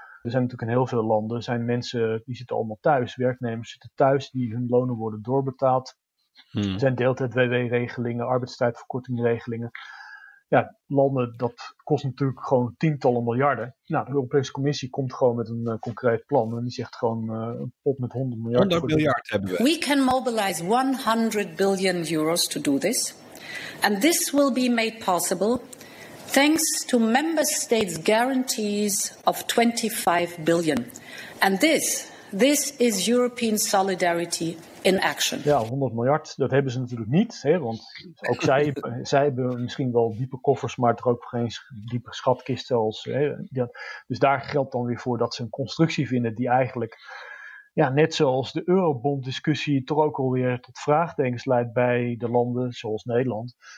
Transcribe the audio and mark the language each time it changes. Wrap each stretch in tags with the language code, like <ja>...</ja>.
<nl>Er zijn natuurlijk in heel veel landen, er zijn mensen die zitten allemaal thuis, werknemers zitten thuis, die hun lonen worden doorbetaald. Er zijn deeltijd-WW-regelingen, arbeidstijdverkortingregelingen. Ja, landen, dat kost natuurlijk gewoon tientallen miljarden. Nou, de Europese Commissie komt gewoon met een concreet plan en die zegt gewoon een pot met 100 miljard. 100 miljard hebben we.</nl> <en>We can mobilize 100 billion euros to do this. And this will be made possible thanks to member states' guarantees of 25 billion. And this is European solidarity in action.</en> <nl>Ja, 100 miljard, dat hebben ze natuurlijk niet. Hè, want ook zij hebben misschien wel diepe koffers, maar er ook geen diepe schatkisten. Dus daar geldt dan weer voor dat ze een constructie vinden die eigenlijk, ja, net zoals de eurobond-discussie, toch ook alweer tot vraagtekens leidt bij de landen zoals Nederland.</nl>